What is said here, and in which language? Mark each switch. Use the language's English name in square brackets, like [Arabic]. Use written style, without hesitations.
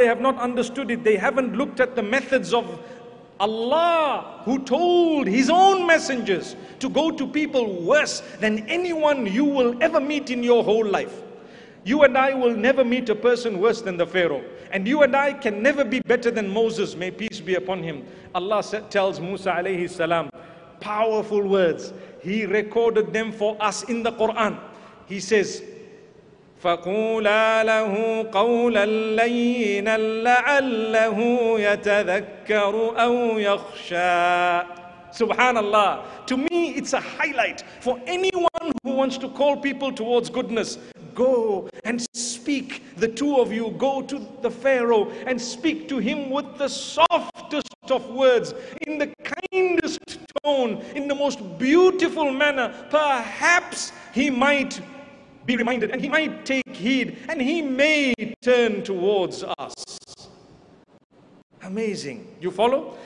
[English] They have not understood it. They haven't looked at the methods of Allah, who told his own messengers to go to people worse than anyone you will ever meet in your whole life. You and I will never meet a person worse than the Pharaoh. And you and I can never be better than Moses, may peace be upon him. Allah tells Musa alayhi salam, powerful words. He recorded them for us in the Quran. [Arabic] He says, فَقُولَا لَهُ قَوْلًا لَيِّنًا لَعَلَّهُ يَتَذَكَّرُ أَوْ يَخْشَى. Subhanallah. [English] To me, it's a highlight for anyone who wants to call people towards goodness. Go and speak, the two of you, go to the Pharaoh and speak to him with the softest of words, in the kindest tone. throne in the most beautiful manner, perhaps he might be reminded and he might take heed and he may turn towards us. Amazing. You follow?